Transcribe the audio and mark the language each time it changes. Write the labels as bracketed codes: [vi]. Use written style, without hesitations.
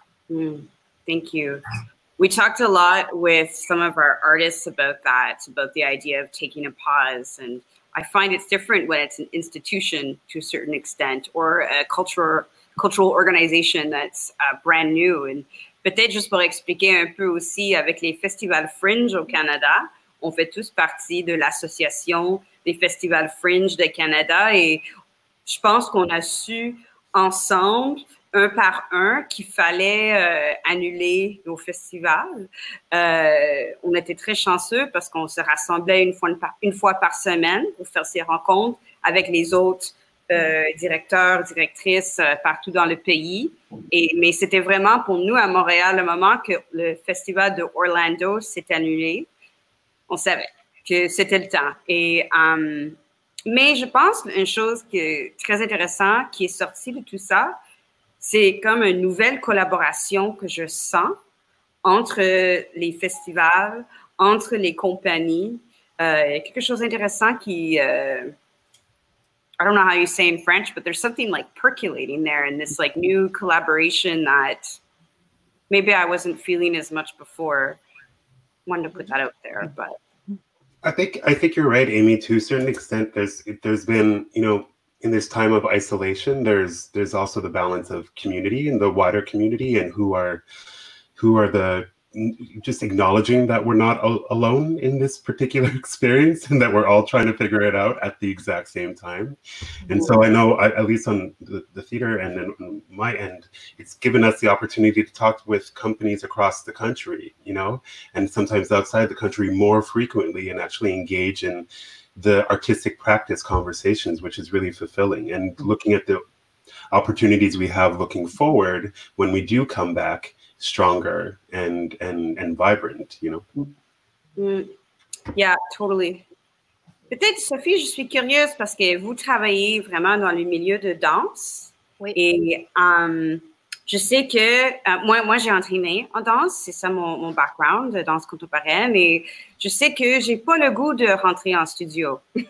[en] Mm, thank you. We talked a lot with some of our artists about that, about the idea of taking a pause. And I find it's different when it's an institution to a certain extent or a cultural organization that's brand new. [fr] And peut-être juste pour expliquer un peu aussi avec les festivals Fringe au Canada, on fait tous partie de l'association des festivals Fringe de Canada et je pense qu'on a su ensemble un par un qu'il fallait annuler nos festivals. On était très chanceux parce qu'on se rassemblait une fois par semaine pour faire ces rencontres avec les autres directeurs, directrices partout dans le pays. Mais c'était vraiment pour nous à Montréal le moment que le festival de Orlando s'est annulé. On savait que c'était le temps. Mais je pense une chose que, très intéressante qui est sortie de tout ça, c'est comme une nouvelle collaboration que je sens entre les festivals, entre les compagnies. Quelque chose d'intéressant qui, [en] I don't know how you say in French, but there's something like percolating there in this like new collaboration that maybe I wasn't feeling as much before. Wanted to put that out there, but. I think you're right, Amy. To a certain extent, there's been, you know, in this time of isolation, there's also the balance of community and the wider community and who are the, just acknowledging that we're not alone in this particular experience and that we're all trying to figure it out at the exact same time. And so I know, at least on the theater and then on my end, it's given us the opportunity to talk with companies across the country, you know, and sometimes outside the country more frequently and actually engage in the artistic practice conversations, which is really fulfilling. And looking at the opportunities we have looking forward when we do come back stronger and vibrant, you know? Mm. Yeah, totally. [fr] Peut-être, Sophie, je suis curieuse parce que vous travaillez vraiment dans le milieu de danse. Oui. Et je sais que moi j'ai entraîné en danse, c'est ça mon background de danse contemporaine, et je sais que j'ai pas le goût de rentrer en studio.